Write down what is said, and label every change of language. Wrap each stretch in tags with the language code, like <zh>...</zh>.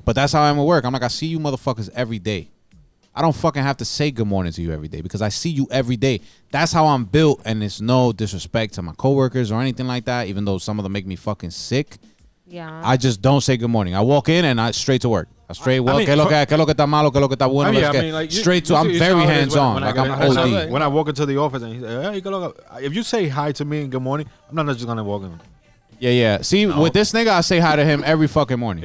<en>But that's how I am at work. I'm like, I see you motherfuckers every day. I don't fucking have to say good morning to you every day because I see you every day. That's how I'm built, and it's no disrespect to my coworkers or anything like that, even though some of them make me fucking sick. Yeah. I just don't say good morning. I walk in, and I straight to work. I straight walk.</en> <es>Que lo que está malo, que lo que está bueno.</es> <en>Straight to, I'm very hands-on. Like, I'm OD. When I walk into the office, and he's like, hey,</en> <es>que lo que,</es> <en>if you say hi to me and good morning, I'm not just going to walk in. Yeah, yeah. See, no. With this nigga, I say hi to him every fucking morning.</en>